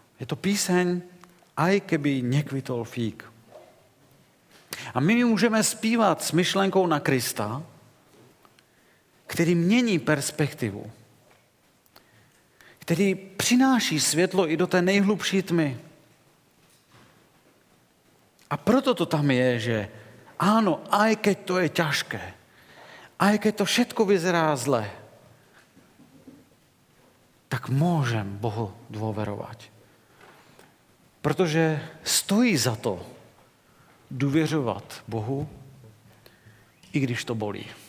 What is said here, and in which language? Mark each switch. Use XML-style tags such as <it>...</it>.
<cs>Je to píseň Aj keby nekvitol fík. A my můžeme zpívat s myšlenkou na Krista, který mění perspektivu, který přináší světlo i do té nejhlubší tmy. A proto to tam je, že ano,</cs> <sk>aj keď to je ťažké, aj keď to všetko vyzerá zle, tak môžem Bohu dôverovať.</sk> <cs>Protože stojí za to důvěřovat Bohu, i když to bolí.</cs>